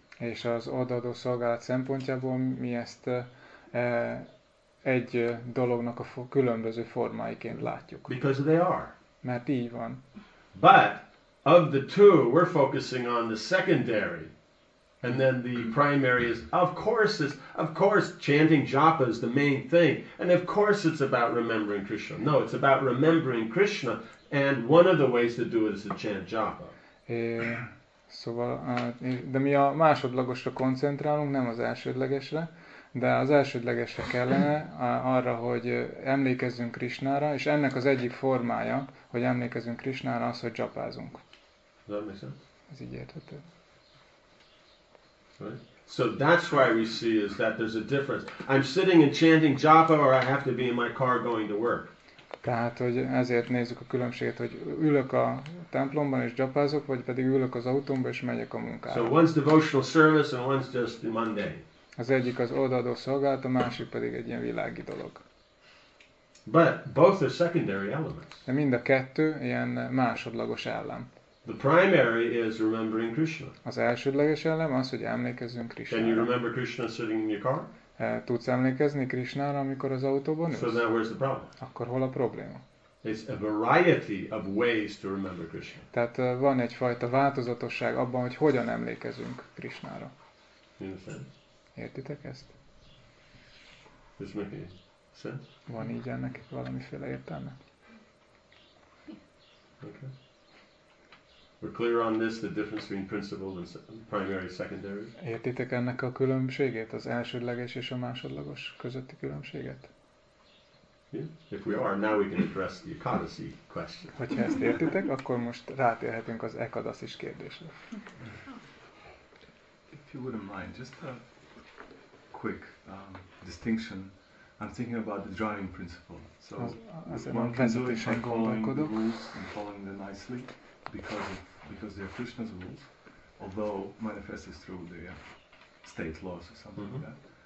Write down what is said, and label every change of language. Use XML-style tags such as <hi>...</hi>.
<hu>És az odaadó szolgálat szempontjából mi ezt egy dolognak a különböző formáiként látjuk.</hu> <en>Because they are.</en> <hu>Mert így van.</hu> <en>But of the two, we're focusing on the secondary. And then the primary is, of course, chanting japa is the main thing. And of course it's about remembering Krishna. No, it's about remembering Krishna. And one of the ways to do it is to chant japa.</en> <hu>Szóval, de mi a másodlagosra koncentrálunk, nem az elsődlegesre. De az elsődlegesre kellene arra, hogy emlékezzünk Krishnára, és ennek az egyik formája, hogy emlékezzünk Krishnára, az, hogy japázunk. Ez így érthető.</hu> <en>Right. So that's why we see is that there's a difference. I'm sitting and chanting japa or I have to be in my car going to work.</en> <hu>Tehát, hogy ezért nézzük a különbséget, hogy ülök a templomban és japázok, vagy pedig ülök az autómban és megyek a munkára.</hu> <en>So one's devotional service and one's just the mundane.</en> <hu>Az egyik az odaadó szolgálat, a másik pedig egy ilyen világi dolog.</hu> <en>But both are secondary elements.</en> <hu>De mind a kettő ilyen másodlagos elem.</hu> <en>The primary is remembering Krishna.</en> <hu>Az elsődleges elem az, hogy emlékezzünk Krishnára.</hu> <en>Can you remember Krishna sitting in your car?</en> <hu>Tudsz emlékezni Krishnára, amikor az autóban ülsz?</hu> <en>So then where's the problem?</en> <hu>Akkor hol a probléma?</hu> <en>It's a variety of ways to remember Krishna.</en> <hu>Tehát van egyfajta változatosság abban, hogy hogyan emlékezünk Krishnára. Értitek ezt?</hu> <en>This makes sense?</en> <hu>Van így ennek valamiféle értelme?</hu> <en>Okay. We're clear on this, the difference between principle and primary secondary.</en> <hu>Értitek ennek a különbségét, az elsődleges és a másodlagos közötti különbséget?</hu> <en>Yeah. If we are, now we can address the ekadasi question.</en> <hu>Hogyha ezt értitek, akkor most rátérhetünk az ekadasis kérdésre.</hu> <en>If you wouldn't mind, just a quick distinction. I'm thinking about the driving principle. So one can do it by following the rules and following them nicely. Because they are Krishna's rules, although manifested through the state laws or something like that.</en>